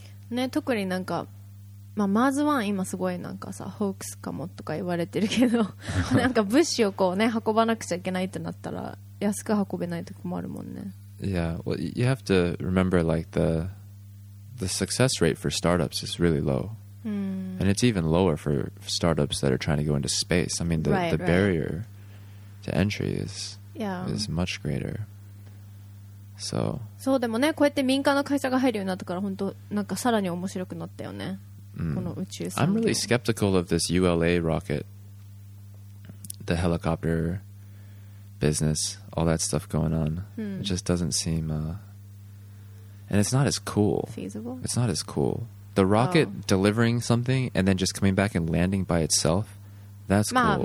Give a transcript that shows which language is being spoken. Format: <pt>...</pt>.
<ja>ね、特になんか、まあ、マーズワン今すごいなんかさホークスかもとか言われてるけどなんか物資をこうね運ばなくちゃいけないってなったら安く運べないと困るもんね。</ja> <en>Yeah, well, you have to remember like the success rate for startups is really low. And it's even lower for startups that are trying to go into space. I mean, the barrier to entry is much greater. So,</en> <ja>そうでもね、こうやって民間の会社が入るようになったから、本当なんかさらに面白くなったよね。この宇宙</ja> <en>産業。I'm really skeptical of this ULA rocket, the helicopter business, all that stuff going on. It just doesn't seem, and it's not as cool. Feasible? It's not as cool. The rocket delivering something and then just coming back and landing by itself, that's cool.</en>